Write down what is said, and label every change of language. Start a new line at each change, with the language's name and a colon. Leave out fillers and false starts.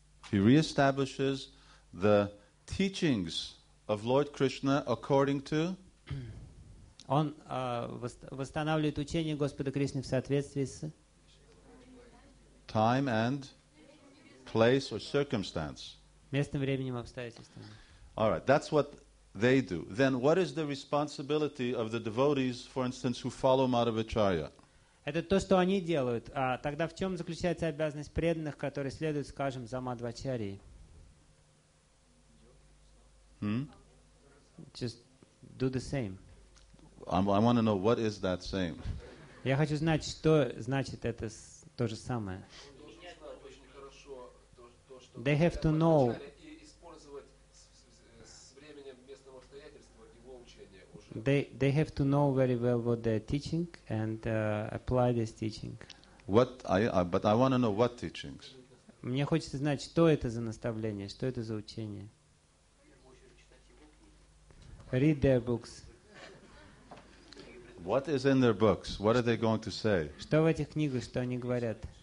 English: He reestablishes the teachings of Lord Krishna according to.
Russian: Он восстанавливает учение Господа Кришны в соответствии с.
English: Time and place or circumstance.
Russian: Местным, временем, обстоятельствами.
English: All right, that's what they do. Then what is the responsibility of the devotees, for instance, who follow Madhavacharya?
Russian: Это то, что они делают. А тогда в чем заключается обязанность преданных, которые следуют, скажем, за Мадхвачарьей?
English: Just do the same. I want to know what is that same.
Russian: Я хочу знать, что значит это то же самое.
English: They have to know. They have to know very well what they're teaching and apply this teaching. But I want to know what teachings.
Russian: Мне хочется знать, что это за наставление, что это за учение.
English: Read their books. What is in their books? What are they going to say?
Russian: Что в этих книгах, что они говорят?